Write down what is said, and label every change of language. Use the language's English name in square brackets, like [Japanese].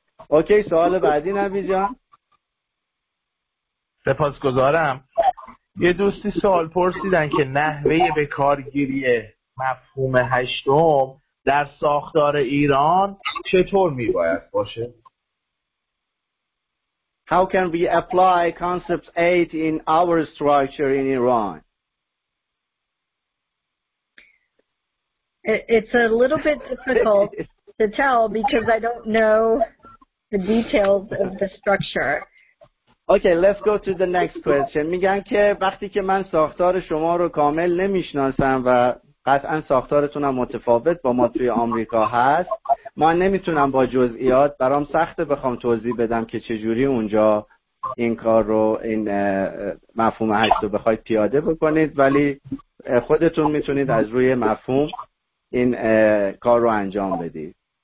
[Persian] اوکی، سوال بعدی نبی جان. سپاسگزارم. یه دوستی سوال پرسیدن که نحوه به کارگیری مفهوم هشتم در ساختار ایران چطور میباید باشه؟ [English] How can we apply concept 8 in our structure in Iran? It's a little bit difficult to tell because I don't know the details of the structure. Okay, let's go to the next question. [Persian] میگن که وقتی که من ساختار شما رو کامل نمیشناسم و قطعا ساختارتون هم متفاوت با ما توی آمریکا هست، من نمیتونم با جزئیات، برام سخته بخوام توضیح بدم که چجوری اونجا این کار رو، این مفهوم هشت رو بخواید پیاده بکنید، ولی خودتون میتونید از روی مفهوم این کار رو انجام بدید.